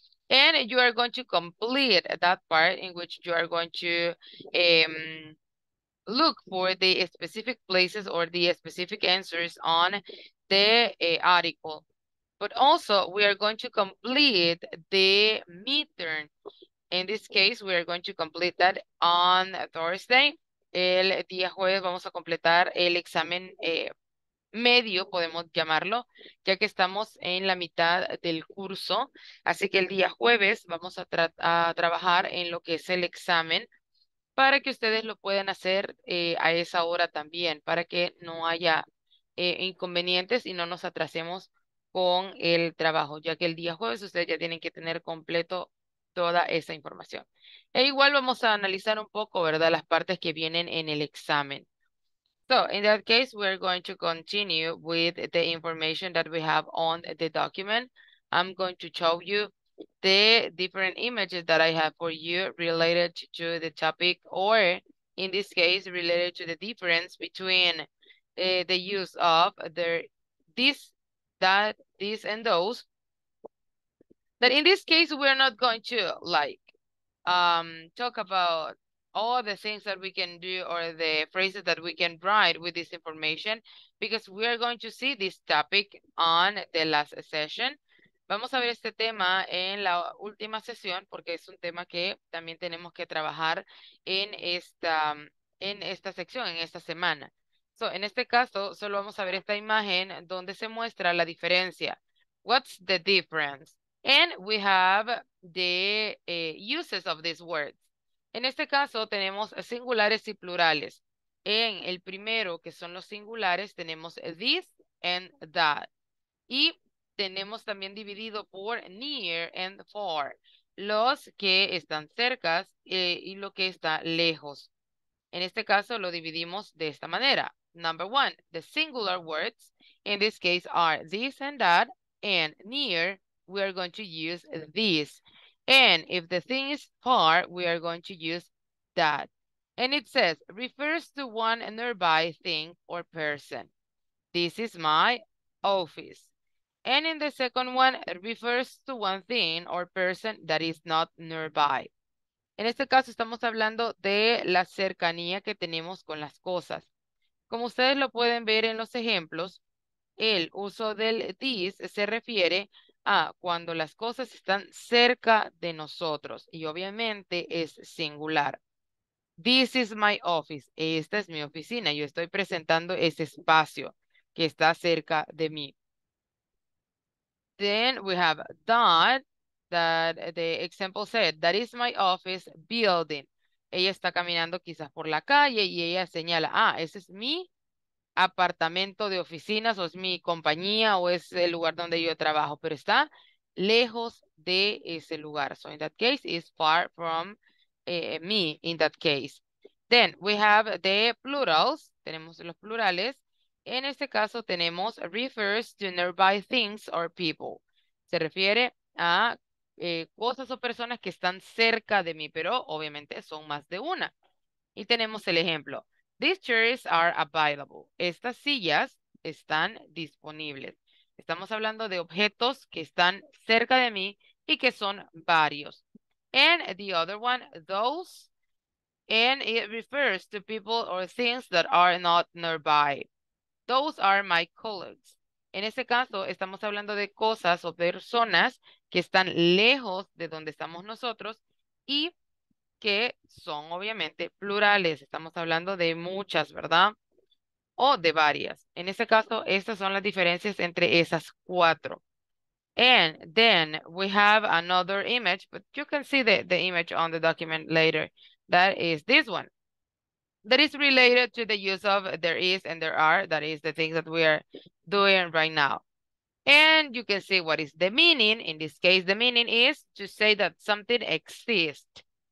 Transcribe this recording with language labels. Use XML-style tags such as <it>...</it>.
<en>And you are going to complete that part in which you are going to look for the specific places or the specific answers on the article. But also, we are going to complete the midterm. In this case, we are going to complete that on Thursday.</en> <es>El día jueves vamos a completar el examen medio, podemos llamarlo, ya que estamos en la mitad del curso. Así que el día jueves vamos a trabajar en lo que es el examen para que ustedes lo puedan hacer a esa hora también, para que no haya inconvenientes y no nos atrasemos con el trabajo, ya que el día jueves ustedes ya tienen que tener completo toda esa información. E igual vamos a analizar un poco, ¿verdad?, las partes que vienen en el examen.</es> <en>So, in that case, we're going to continue with the information that we have on the document. I'm going to show you the different images that I have for you related to the topic, or in this case, related to the difference between the use of this and those. But in this case, we're not going to like talk about all the things that we can do or the phrases that we can write with this information, because we are going to see this topic on the last session.</en> <es>Vamos a ver este tema en la última sesión porque es un tema que también tenemos que trabajar en esta sección, en esta semana. So, en este caso, solo vamos a ver esta imagen donde se muestra la diferencia.</es> <en>What's the difference? And we have the uses of these words.</en> <es>En este caso, tenemos singulares y plurales. En el primero, que son los singulares, tenemos this and that. Y tenemos también dividido por</es> <en>near and far,</en> <es>los que están cerca y lo que está lejos. En este caso, lo dividimos de esta manera.</es> <en>Number one, the singular words, in this case, are this and that, and near, we are going to use this. And if the thing is far, we are going to use that. And it says, refers to one nearby thing or person. This is my office. And in the second one, it refers to one thing or person that is not nearby.</en> <es>En este caso, estamos hablando de la cercanía que tenemos con las cosas. Como ustedes lo pueden ver en los ejemplos, el uso del this se refiere a cuando las cosas están cerca de nosotros y obviamente es singular.</es> <en>This is my office.</en> <es>Esta es mi oficina. Yo estoy presentando ese espacio que está cerca de mí.</es> <en>Then we have that the example said, that is my office building.</en> <es>Ella está caminando quizás por la calle y ella señala, ese es mi apartamento de oficinas, o es mi compañía, o es el lugar donde yo trabajo, pero está lejos de ese lugar.</es> <en>So in that case, it's far from me in that case. Then we have the plurals,</en> <es>tenemos los plurales. En este caso tenemos</es> <en>refers to nearby things or people.</en> <es>Se refiere a cosas o personas que están cerca de mí, pero obviamente son más de una. Y tenemos el ejemplo.</es> <en>These chairs are available.</en> <es>Estas sillas están disponibles. Estamos hablando de objetos que están cerca de mí y que son varios.</es> <en>And the other one, those, And it refers to people or things that are not nearby. Those are my colleagues.</en> <es>En este caso, estamos hablando de cosas o personas que están lejos de donde estamos nosotros y que son obviamente plurales. Estamos hablando de muchas, ¿verdad? O de varias. En este caso, estas son las diferencias entre esas cuatro.</es> <en>And then we have another image, but you can see the image on the document later. That is this one. That is related to the use of there is and there are. That is the thing that we are doing right now. And you can see what is the meaning. In this case, the meaning is to say that something exists.</en>